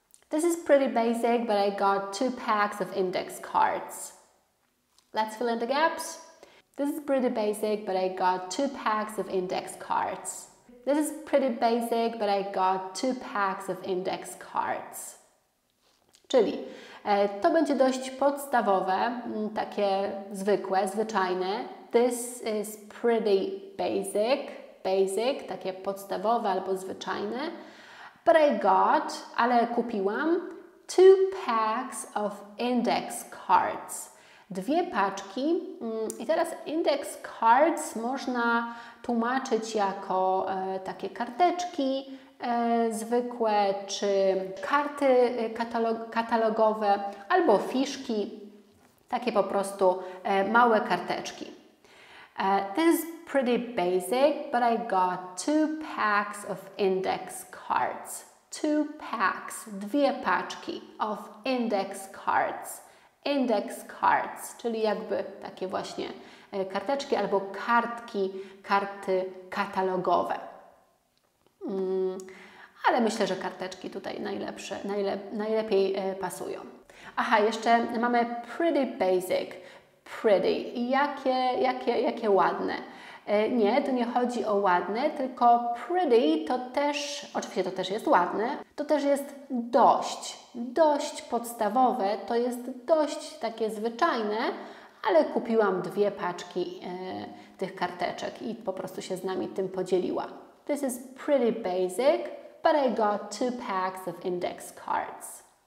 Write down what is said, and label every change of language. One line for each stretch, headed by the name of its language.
English: This is pretty basic, but I got two packs of index cards. Let's fill in the gaps. This is pretty basic, but I got two packs of index cards. This is pretty basic, but I got two packs of index cards.
Polish: Czyli to będzie dość podstawowe, takie zwykłe, zwyczajne.
English: This is pretty basic,
Polish: takie podstawowe albo zwyczajne.
English: But I got,
Polish: ale kupiłam,
English: two packs of index cards.
Polish: Dwie paczki. I teraz index cards można tłumaczyć jako takie karteczki zwykłe, czy karty katalogowe, albo fiszki, takie po prostu małe karteczki.
English: This is pretty basic, but I got two packs of index cards. Two packs,
Polish: dwie paczki
English: of index cards. Index cards,
Polish: czyli jakby takie właśnie karteczki albo kartki, karty katalogowe. Ale myślę, że karteczki tutaj najlepiej pasują. Aha, jeszcze mamy
English: pretty basic.
Polish: Pretty. Jakie ładne. Nie, to nie chodzi o ładne, tylko pretty to też, oczywiście to też jest ładne, to też jest dość. Dość podstawowe, to jest dość takie zwyczajne, ale kupiłam dwie paczki tych karteczek i po prostu się z nami tym podzieliła.
English: This is pretty basic, but I got two packs of index cards.